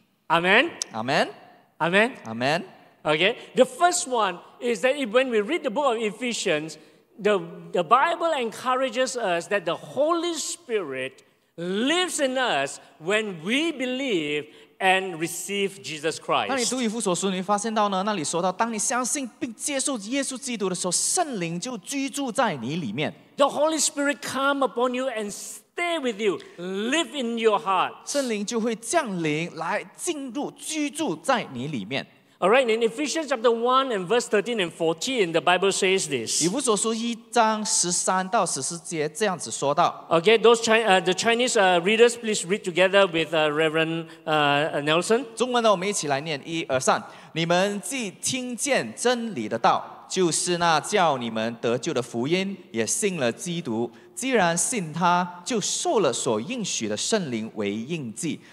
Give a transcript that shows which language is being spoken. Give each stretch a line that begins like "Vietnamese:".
English: Amen. Amen. Amen. Amen. Okay. The first one is that when we read the book of Ephesians, the Bible encourages us that the Holy Spirit. Lives in us when we believe and receive Jesus Christ.
Chinese: 当你读以弗所书，你发现到呢，那里说到，当你相信并接受耶稣基督的时候，圣灵就居住在你里面。
English: The Holy Spirit come upon you and stay with you, live in your heart.
Chinese: 圣灵就会降临来进入居住在你里面。
English: All right, in Ephesians chapter 1 and verse 13 and 14, the Bible says this.
Chinese: 以弗所书一章十三到十四节这样子说到。
English: Okay, those the Chinese readers, please read together with Reverend Nelson.
Chinese: 中文呢，我们一起来念一二三。你们既听见真理的道，就是那叫你们得救的福音，也信了基督。既然信他，就受了所应许的圣灵为印记。